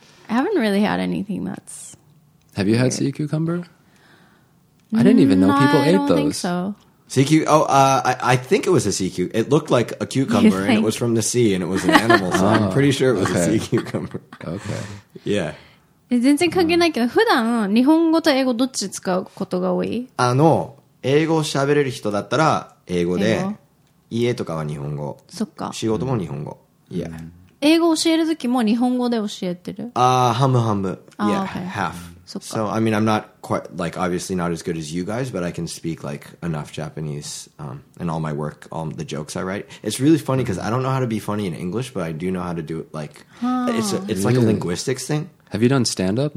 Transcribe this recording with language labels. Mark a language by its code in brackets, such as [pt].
[en] I haven't really had anything that's. Have you had sea cucumber? I didn't even know people ate those. I don't think so. Sea cucumber. Oh, I think it was a sea cucumber. It looked like a cucumber and it was from the sea and it was an animal. So I'm pretty sure it was a sea cucumber. Okay. Yeah. [ja] 全然関係ないけど、普段日本語と英語どっち使うことが多い? あの。英語喋れる人だったら英語で、家とかは日本語。そっか。仕事も日本語。 [en] Yeah. [ja] 英語教える時も日本語で教えてる? [en] Half. So I mean, I'm not quite, like, obviously not as good as you guys, but I can speak, like, enough Japanese in all my work, all the jokes I write. It's really funny because I don't know how to be funny in English, but I do know how to do it, like, it's like a linguistics thing. Have you done stand-up?